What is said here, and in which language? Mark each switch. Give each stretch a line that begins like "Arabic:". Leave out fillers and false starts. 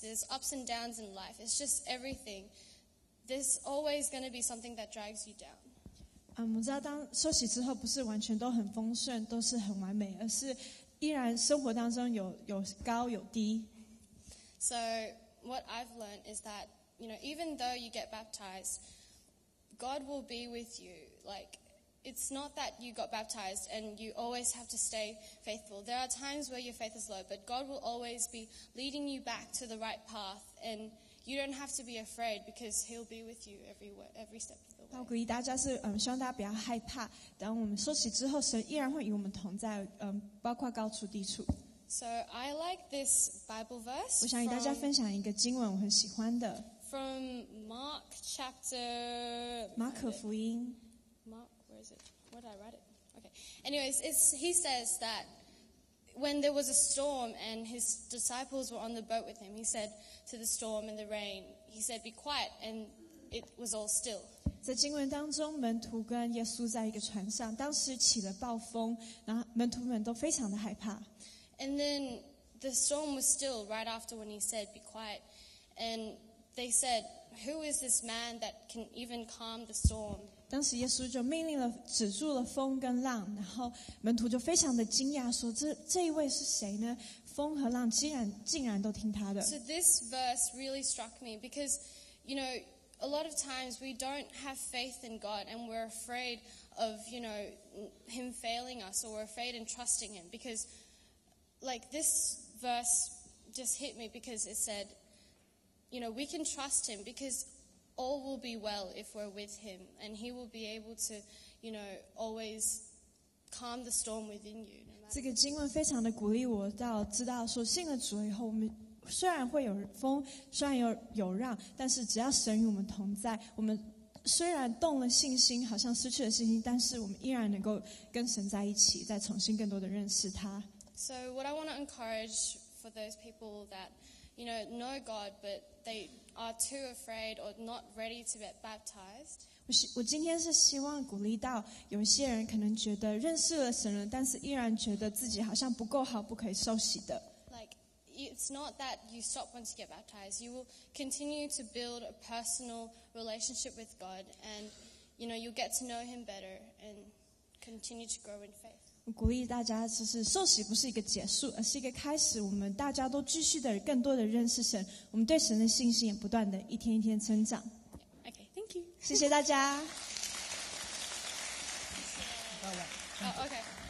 English: There's ups and downs in life. It's just everything. There's always going to be something that drags you down.
Chinese: 我知道当受洗之后不是完全都很丰盛，都是很完美，而是依然生活当中有高有低。
English: So what I've learned is that, you know, even though you get baptized, God will be with you. Like, it's not that you got baptized and you always have to stay faithful. There are times where your faith is low, but God will always be leading you back to the right path and you don't have to be afraid because He'll be with you every step of the way.
Chinese: 我鼓励大家是希望大家不要害怕，等我们受洗之后神依然会与我们同在，包括高处低处。
English: So I like this Bible verse.
Chinese: 我想与大家分享一个经文我很喜欢的。
English: From Mark chapter...
Chinese: 马可福音。
English: Mark, where is it? Where did I write it? Okay. Anyways, he says that when there was a storm and his disciples were on the boat with him, he said to the storm and the rain, he said, be quiet, and it was all still.
Chinese: 在经文当中，门徒跟耶稣在一个船上，当时起了暴风，然后门徒们都非常的害怕。
English: And then the storm was still right after when he said, be quiet. And they said, who is this man that can even calm the storm?
Chinese: 当时耶稣就命令了，止住了风跟浪，然后门徒就非常的惊讶，说这一位是谁呢？风和浪竟然都听他的。
English: So this verse really struck me because, you know,A lot of times we don't have faith in God and we're afraid of, you know, Him failing us or we're afraid in trusting Him because, like, this verse just hit me because it said, you know, we can trust Him because all will be well if we're with Him and He will be able to, you know, always calm the storm within you.
Chinese: 这个经文非常的鼓励我到知道说信了主以后我们虽然会有风，虽然有浪，但是只要神与我们同在，我们虽然动了信心，好像失去了信心，但是我们依然能够跟神在一起，再重新更多的认识他。
English: So what I want to encourage for those people that, you know, know God, but they are too afraid or not ready to get baptized.
Chinese: 我今天是希望鼓励到有些人可能觉得认识了神了，但是依然觉得自己好像不够好，不可以受洗的。
English: It's not that you stop once you get baptized. You will continue to build a personal relationship with God, and you know you'll get to know Him better and continue to grow in faith.
Chinese: 我鼓励大家，就是受洗不是一个结束，而是一个开始。我们大家都继续的更多的认识神，我们对神的信心也不断的一天一天成长。
English: Okay, thank you.
Chinese: 谢谢大家。到了。
English: Okay.